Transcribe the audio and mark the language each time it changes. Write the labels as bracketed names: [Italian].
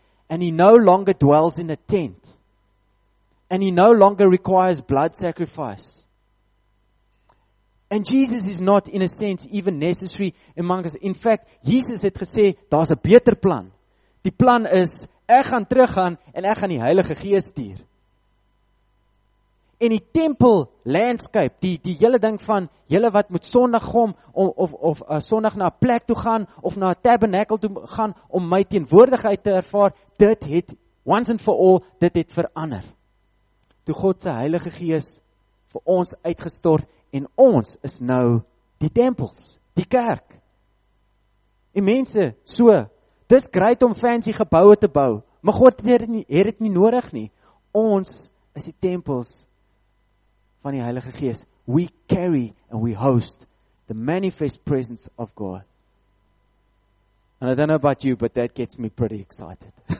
[English] And he no longer dwells in a tent. And he no longer requires blood sacrifice. And Jesus is not, in a sense, even necessary among us. In fact, [Afrikaans] Jesus het gesê, daar's 'n beter plan. Die plan is, ek gaan teruggaan en ek gaan die Heilige Gees stuur. En die tempel landscape, die hele ding van julle wat moet sondag kom of sondag na 'n plek toe gaan of na 'n tabernakel toe gaan om my teenwoordigheid te ervaar, dit het [English] once and for all [Afrikaans] dit het verander. Toe God se Heilige Gees vir ons uitgestort en ons is nou die tempels, die kerk. En mense, so, dis great om fancy geboue te bou, maar God het dit nie nodig nie. Ons is die tempels van die Heilige Gees. [English] We carry and we host the manifest presence of God. And I don't know about you, but that gets me pretty excited.